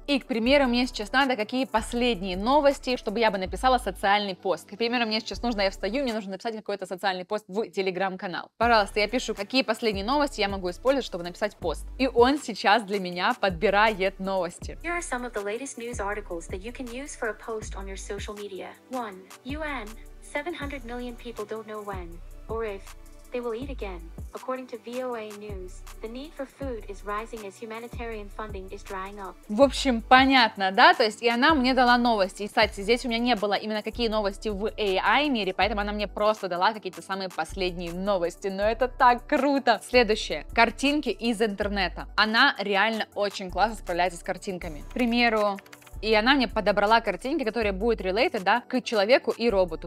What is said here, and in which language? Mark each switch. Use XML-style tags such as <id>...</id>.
<ru>И, к примеру, мне сейчас надо какие последние новости, чтобы я бы написала социальный пост. К примеру, мне сейчас нужно, я встаю, мне нужно написать какой-то социальный пост в Telegram-канал. Пожалуйста, я пишу, какие последние новости я могу использовать, чтобы написать пост. И он сейчас для меня подбирает новости.</ru> <en>Here are some of the latest news articles that you can use for a post on your social media. 1. UN. 700 million people don't know when, or if, they will eat again. According to VOA News, the need for food is rising as humanitarian funding is drying up.</en> <ru>В общем, понятно, да? То есть, и она мне дала новости. И, кстати, здесь у меня не было именно какие новости в AI мире, поэтому она мне просто дала какие-то самые последние новости. Но это так круто! Следующее. Картинки из интернета. Она реально очень классно справляется с картинками. К примеру, и она мне подобрала картинки, которые будут related, да, к человеку и роботу.</ru>